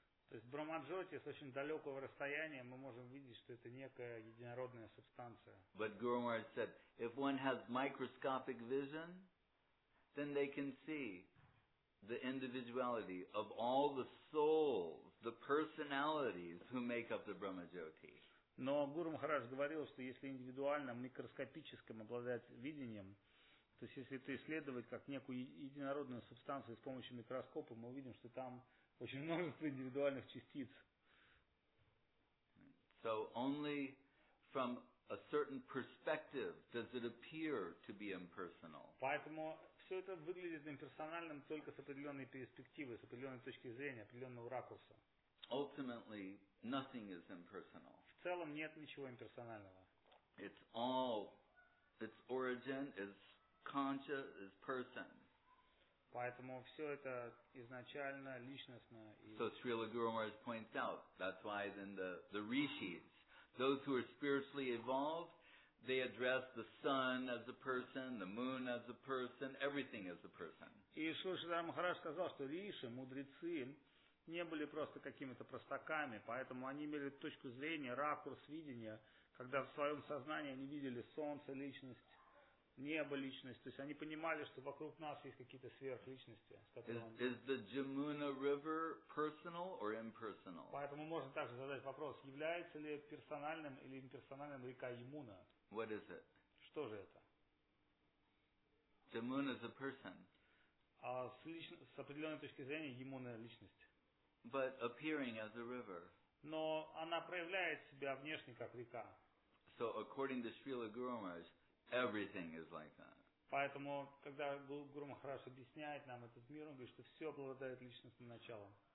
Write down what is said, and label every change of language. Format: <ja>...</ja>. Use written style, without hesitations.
<ru>То есть Брахма-джоти с очень далекого расстояния мы можем видеть, что это некая единородная субстанция.</ru> <en>But Guru Maharaj said, if one has microscopic vision, then they can see the individuality of all the souls, the personalities who make up the Brahma-jyoti.</en> <ru>Но Гуру Махарадж говорил, что если индивидуально, микроскопическим обладать видением, то есть если это исследовать как некую единородную субстанцию с помощью микроскопа, мы увидим, что там очень множество индивидуальных частиц.</ru> <en>So only from a certain perspective does it appear to be impersonal.</en> <ru>Поэтому все это выглядит имперсональным только с определенной перспективы, с определенной точки зрения, определенного ракурса.</ru> <en>Ultimately, nothing is impersonal.</en> <ru>В целом нет ничего имперсонального.</ru> <en>It's all, its origin is conscious, is person.</en> <ru>Поэтому все это изначально личностно.</ru> <en>So Srila Guru Maharaj points out, that's why then the rishis, those who are spiritually evolved, they address the sun as a person, the moon as a person, everything as a person.</en> <ru>И Шрила Махарадж сказал, что риши, мудрецы, не были просто какими-то простаками, поэтому они имели точку зрения, ракурс видения, когда в своем сознании они видели солнце, личность, небо, личность. То есть они понимали, что вокруг нас есть какие-то сверхличности.</ru> <en>Is the Jamuna River personal or impersonal?</en> <ru>Поэтому можно также задать вопрос, является ли персональным или имперсональным река Ямуна?</ru> <en>What is it?</en> <ru>Что же это?</ru> <en>Jamuna is a person.</en> <ru>А с определенной точки зрения Ямуна – личность.</ru> <en>But appearing as a river.</en> <ru>Но она проявляет себя внешне как река.</ru> <en>So according to Srila Guru Maharaj, everything is like that.</en> <ru>Поэтому, когда Гуру Махарадж объясняет нам этот мир, он говорит, что все обладает личностным началом.</ru>